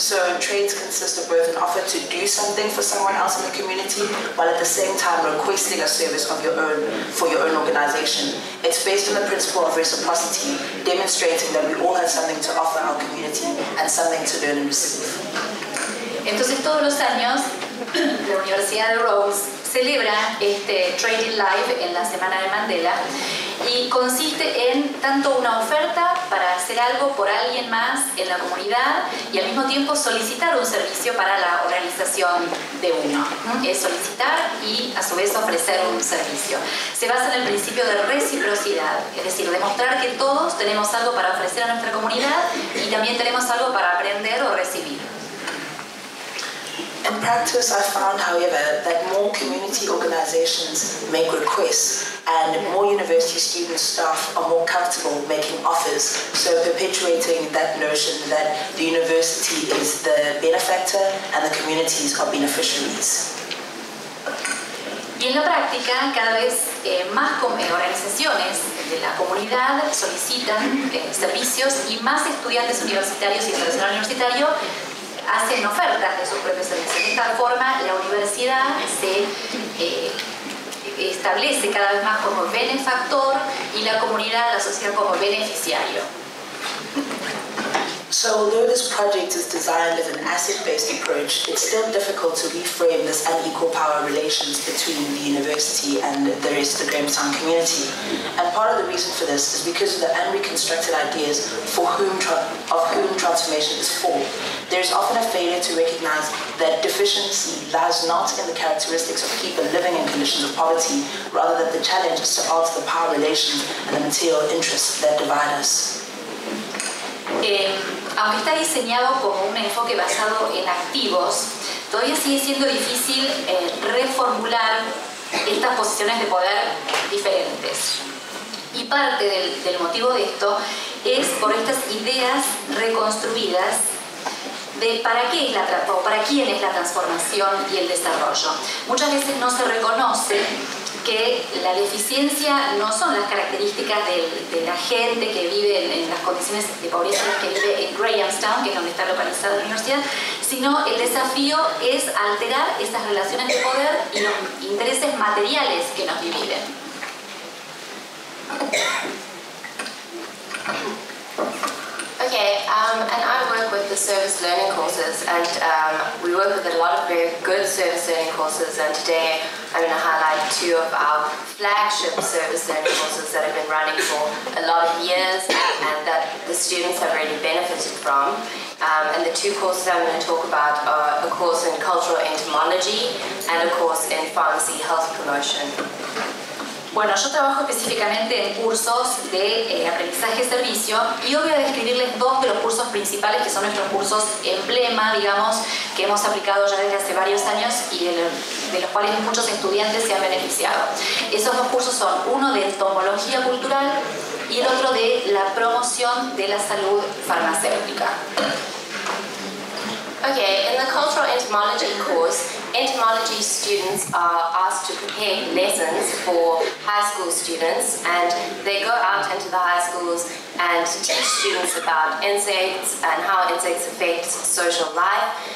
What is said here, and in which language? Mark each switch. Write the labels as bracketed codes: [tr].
[en] So trades consist of both an offer to do something for someone else in the community, while at the same time requesting a service of your own for your own organization. It's based on the principle of reciprocity, demonstrating that we all have something to offer our community and something to learn and receive. [es] Entonces, todos los años, la Universidad de Rhodes celebra este Trading Live en la Semana de Mandela y consiste en tanto una oferta para hacer algo por alguien más en la comunidad y al mismo tiempo solicitar un servicio para la organización de uno. Es solicitar y a su vez ofrecer un servicio. Se basa en el principio de reciprocidad, es decir, demostrar que todos tenemos algo para ofrecer a nuestra comunidad y también tenemos algo para aprender o recibir. [en] In practice, I found, however, that more community organizations make requests and more university student staff are more comfortable making offers, so perpetuating that notion that the university is the benefactor and the communities are beneficiaries. [es] Y en la práctica, cada vez más organizaciones de la comunidad solicitan servicios y más estudiantes universitarios y profesional universitario hacen ofertas de sus propios servicios. De esta forma, la universidad se establece cada vez más como benefactor y la comunidad la asocia como beneficiario. [en] So although this project is designed as an asset-based approach, it's still difficult to reframe this unequal power relations between the university and the rest of the Grahamstown community. And part of the reason for this is because of the unreconstructed ideas of whom transformation is for. There is often a failure to recognize that deficiency lies not in the characteristics of people living in conditions of poverty, rather that the challenge is to alter the power relations and the material interests that divide us. [es] Aunque está diseñado como un enfoque basado en activos, todavía sigue siendo difícil reformular estas posiciones de poder diferentes. Y parte del motivo de esto es por estas ideas reconstruidas de para qué es para quién es la transformación y el desarrollo. Muchas veces no se reconoce que la deficiencia no son las características de la gente que vive en las condiciones de pobreza que vive en Grahamstown, que es donde está localizada la universidad, sino el desafío es alterar esas relaciones de poder y los intereses materiales que nos dividen. [en] Okay, and I work with the service learning courses, and we work with a lot of very good service learning courses, and today I'm going to highlight two of our flagship service learning courses that have been running for a lot of years and that the students have really benefited from. And the two courses I'm going to talk about are a course in cultural entomology and a course in pharmacy health promotion. [es] Bueno, yo trabajo específicamente en cursos de aprendizaje y servicio y hoy voy a describirles dos de los cursos principales que son nuestros cursos emblema, digamos, que hemos aplicado ya desde hace varios años y de los cuales muchos estudiantes se han beneficiado. Esos dos cursos son uno de entomología cultural y el otro de la promoción de la salud farmacéutica. [en] Okay, in the cultural entomology course, entomology students are asked to prepare lessons for high school students, and they go out into the high schools and teach students about insects and how insects affect social life.